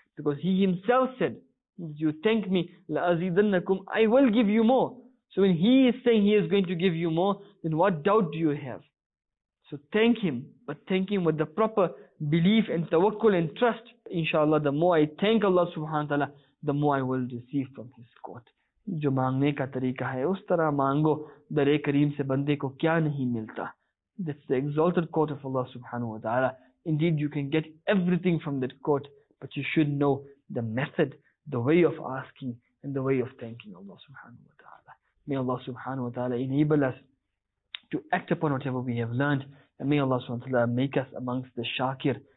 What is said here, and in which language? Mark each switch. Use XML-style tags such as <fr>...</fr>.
<en>Because he himself said, you thank me,</en> <ar>la azidannakum,</ar> <en>I will give you more. So when he is saying he is going to give you more, then what doubt do you have? So thank him, but thank him with the proper belief and tawakkul and trust. Inshallah, the more I thank Allah subhanahu wa ta'ala, the more I will receive from his court.</en> <ur>جو مانگنے کا طریقہ ہے اس طرح مانگو درے کریم سے بندے کو کیا نہیں ملتا.</ur> <en>That's the exalted court of Allah subhanahu wa ta'ala. Indeed, you can get everything from that court, but you should know the method, the way of asking and the way of thanking Allah subhanahu wa ta'ala. May Allah subhanahu wa ta'ala enable us to act upon whatever we have learned, and may Allah subhanahu wa ta'ala make us amongst the shakir,</en>